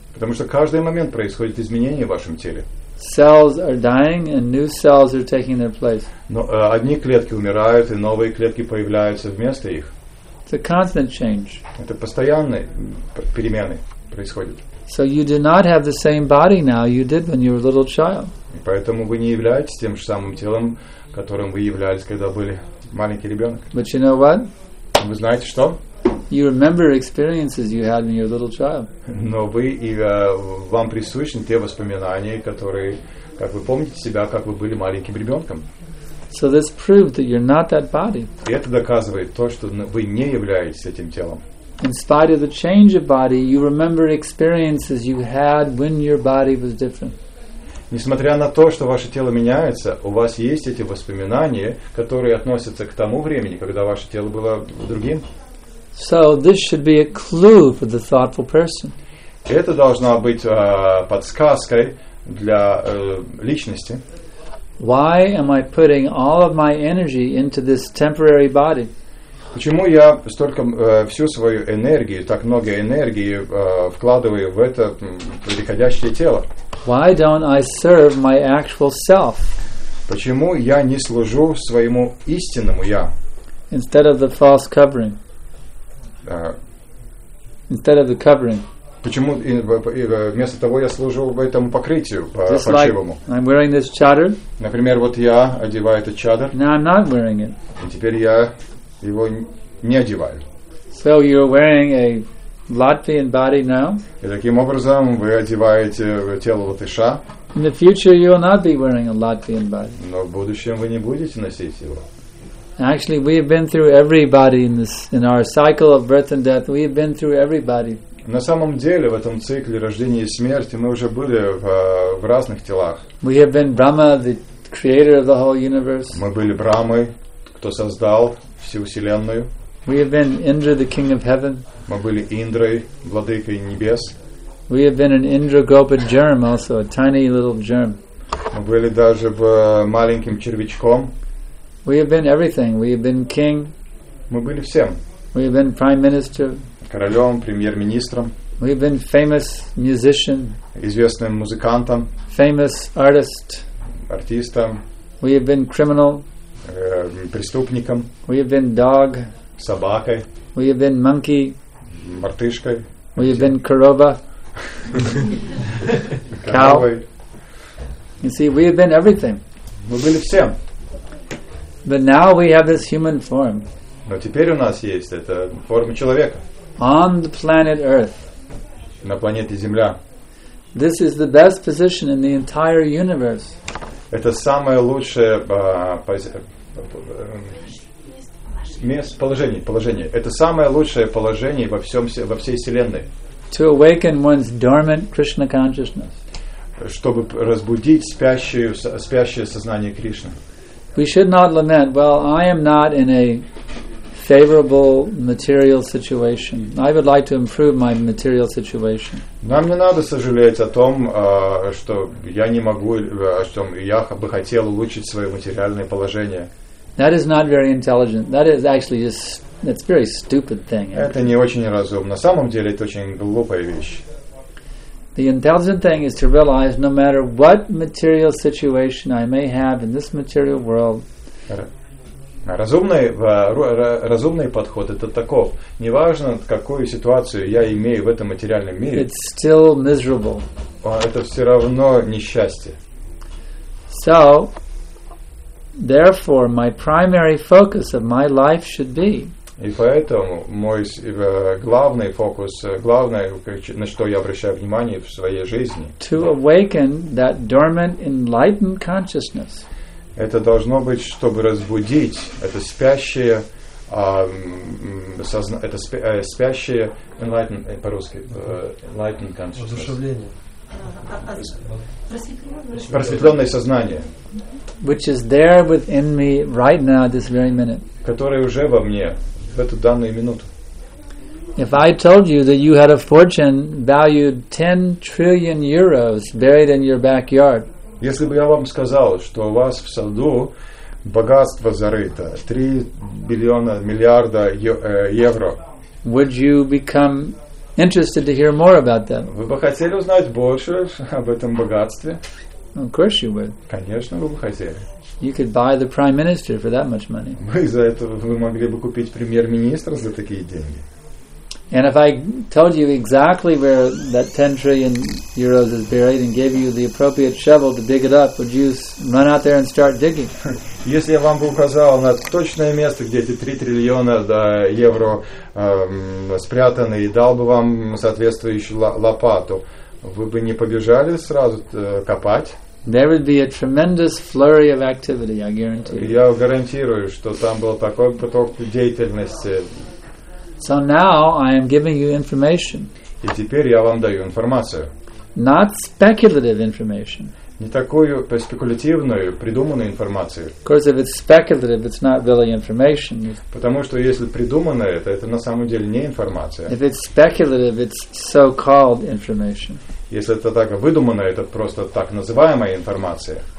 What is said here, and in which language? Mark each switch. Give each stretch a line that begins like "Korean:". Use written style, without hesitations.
Russian: Потому что каждый момент происходит изменение в вашем теле.
English: Cells are dying and new cells are taking their place.
Russian: Но одни клетки умирают, и новые клетки появляются вместо их.
English: It's a constant change.
Russian: Это постоянные перемены происходят.
English: So you do not have the same body now you did when you were a little child.
Russian: Поэтому вы не являетесь тем же самым телом, которым вы являлись, когда были маленький ребенок.
English: But you know what?
Russian: Вы знаете что?
English: You remember experiences you had when you were a little child.
Russian: Но вы и вам присущи те воспоминания, которые, как вы помните себя, как вы были маленьким ребенком.
English: So this proved that you're not that body.
Russian: И это доказывает то, что вы не являетесь этим телом.
English: In spite of the change of body, you remember experiences you had when your body was different.
Russian: Несмотря на то, что ваше тело меняется, у вас есть эти воспоминания, которые относятся к тому времени, когда ваше тело было другим.
English: So this should be a clue for the thoughtful person.
Russian: Это должна быть подсказкой для личности.
English: Why am I putting all of my energy into this temporary body?
Russian: Почему я столько всю свою энергию, так много энергии вкладываю в это приходящее тело?
English: Why don't I serve my actual self?
Russian: Почему я не служу своему истинному я?
English: Instead of the false covering. Instead of the covering.
Russian: Почему вместо того я служу этому покрытию фальшивому?
English: Like I'm wearing this chadar.
Russian: Например, вот я одеваю этот чадр.
English: Now I'm not wearing it.
Russian: И теперь я его не одеваю.
English: So you're wearing a Latvian body now.
Russian: И таким образом вы одеваете тело латыша.
English: In the future you will not be wearing a Latvian body.
Russian: Но в будущем вы не будете носить его.
English: Actually, we have been through everybody in this in our cycle of birth and death. We have been through everybody.
Russian: На самом деле, в этом цикле рождения и смерти мы уже были в разных телах.
English: We have been Brahma, the creator of the whole universe.
Russian: Мы были Брамой, кто создал всю вселенную.
English: We have been Indra, the king of heaven.
Russian: Мы были Индрой, владыкой небес.
English: We have been an Indra Gopa germ, also a tiny little germ.
Russian: Мы были даже в маленьким червячком.
English: We have been everything. We have been king.
Russian: Мы были всем.
English: We have been prime minister.
Russian: Королем, премьер-министром.
English: We have been famous musician.
Russian: Известным музыкантом.
English: Famous artist.
Russian: Артистом.
English: We have been criminal.
Russian: Преступником.
English: We have been dog.
Russian: Собакой.
English: We have been monkey.
Russian: Мартышкой.
English: We have been корова. Cow. You see, we have been everything.
Russian: Мы были всем.
English: But now we have this human form.
Russian: Но теперь у нас есть эта форма человека.
English: On the planet Earth.
Russian: На планете Земля.
English: This is the best position in the entire universe.
Russian: Это самое лучшее положение. Это самое лучшее положение во всей вселенной.
English: To awaken one's dormant Krishna consciousness.
Russian: Чтобы разбудить спящее сознание Кришны.
English: We should not lament, well, I am not in a favorable material situation. I would like to improve my material situation.
Russian: Нам не надо сожалеть о том, что я не могу, что я бы хотел улучшить свое материальное положение.
English: That is not very intelligent. That is actually just, that's a very stupid thing.
Russian: Это не очень разумно. На самом деле, это очень глупая вещь.
English: The intelligent thing is to realize no matter what material situation I may have in this material world.
Russian: Разумный подход это таков. Неважно, какую ситуацию я имею в этом материальном мире.
English: It's still miserable.
Russian: Это все равно несчастье.
English: So, therefore, my primary focus of my life should be.
Russian: И поэтому мой главный фокус, главное, на что я обращаю внимание в своей жизни,
English: to awaken that dormant enlightened consciousness.
Russian: Это должно быть, чтобы разбудить это спящее, спящее enlightened, по-русски,
English: enlightened consciousness.
Russian: Воодушевление. Просветленное сознание.
English: Which is there within me right now, this very minute.
Russian: Которое уже во мне. В эту данную минуту.
English: If I told you that you had a fortune valued 10 trillion euros buried in your backyard.
Russian: Если бы я вам сказал, что у вас в саду богатство зарыто 3 миллиона миллиарда евро.
English: Would you become interested to hear more about that?
Russian: Вы бы хотели узнать больше об этом богатстве?
English: Of course you would.
Russian: Конечно, вы бы хотели.
English: You could buy the prime minister for that much money.
Russian: За это вы могли бы купить премьер-министра за такие деньги.
English: And if I told you exactly where that 10 trillion euros is buried and gave you the appropriate shovel to dig it up, would you run out there and start digging?
Russian: Если я вам бы указал на точное место, где эти 3 триллиона евро спрятаны, и дал бы вам соответствующую лопату, вы бы не побежали сразу копать?
English: There would be a tremendous flurry of activity, I guarantee.
Russian: Я гарантирую, что там был такой поток деятельности.
English: So now I am giving you information.
Russian: И теперь я вам даю информацию.
English: Not speculative information.
Russian: Не такую спекулятивную, придуманную информацию.
English: Because if it's speculative, it's not really information.
Russian: Потому что если придуманное, то это на самом деле не информация.
English: If it's speculative, it's so-called information.
Russian: Если это так выдуманное, это просто так называемая информация.